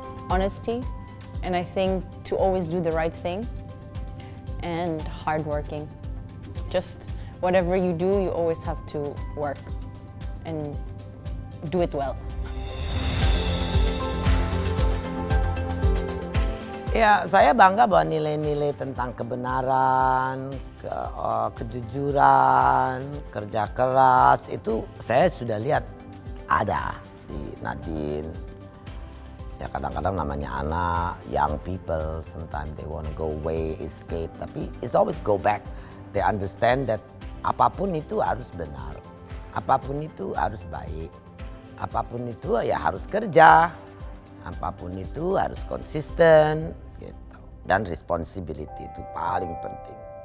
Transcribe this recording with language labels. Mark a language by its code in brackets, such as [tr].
[en] Honesty, and I think to always do the right thing, and hardworking. Just whatever you do, you always have to work and do it well. [id] Ya, saya bangga bahwa nilai-nilai tentang kebenaran, kejujuran, kerja keras itu saya sudah lihat ada di Nadine. Ya kadang-kadang namanya anak, [en] young people, sometimes they want to go away, escape, [id] tapi [en] it's always go back. They understand that [id] apapun itu harus benar, apapun itu harus baik, apapun itu ya harus kerja, apapun itu harus konsisten, gitu. Dan responsibility itu paling penting.